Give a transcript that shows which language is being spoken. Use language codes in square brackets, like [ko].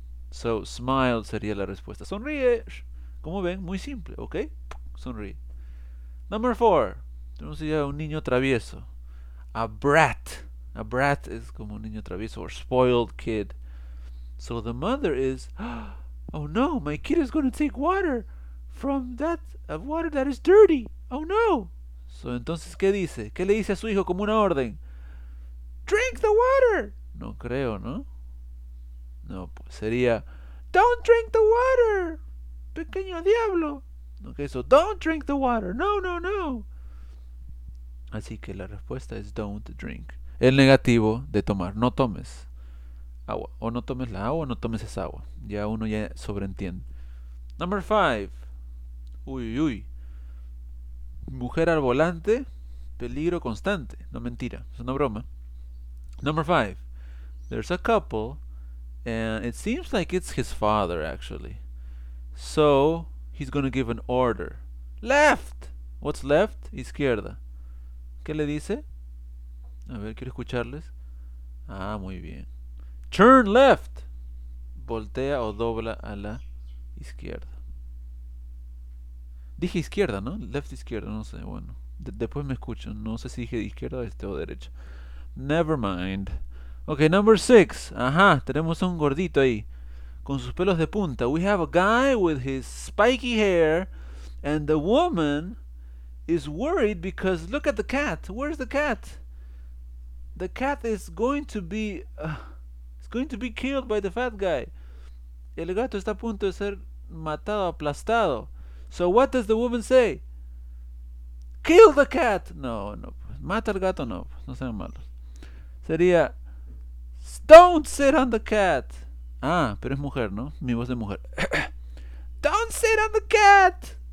[en] So, smile [es] sería la respuesta. Sonríe. Como ven, muy simple, okay? Sonríe. [en] Number four. [es] Tenemos ya un niño travieso. [en] A brat. A brat is [es] como un niño travieso [en] or spoiled kid. So the mother is, oh no, my kid is going to take water from that water that is dirty. Oh no. So [es] entonces, ¿qué dice? ¿Qué le dice a su hijo como una orden? [en] Drink the water. [es] No creo, ¿no? No, pues sería, [en] don't drink the water, [es] pequeño diablo. [en] Okay, so don't drink the water. No, no, no. [es] Así que la respuesta es [en] don't drink. [es] El negativo de tomar. No tomes agua. O no tomes la agua o no tomes esa agua. Ya uno ya sobreentiende. [en] Number five. [es] Uy, uy, uy. Mujer al volante. Peligro constante. No, mentira. Es una broma. [en] Number five. There's a couple. And it seems like it's his father, actually. So, he's gonna give an order. Left! What's left? [es] Izquierda. ¿Qué le dice? A ver, quiero escucharles. Ah, muy bien. [en] Turn left. [es] Voltea o dobla a la izquierda. Dije izquierda, ¿no? Left, izquierda, no sé. Bueno, después me escucho. No sé si dije izquierda o derecha. [en] Never mind. Ok, number six. [es] Ajá, tenemos un gordito ahí. Con sus pelos de punta. [en] We have a guy with his spiky hair. And the woman is worried because look at the cat. Where's the cat? The cat is going to be killed by the fat guy. [es] El gato está a punto de ser matado, aplastado. [en] So what does the woman say? Kill the cat. [es] No, no. Mata al gato, no. No sean malos. Sería, [en] don't sit on the cat. [es] Ah, pero es mujer, ¿no? Mi voz de mujer. [en] Don't sit on the cat.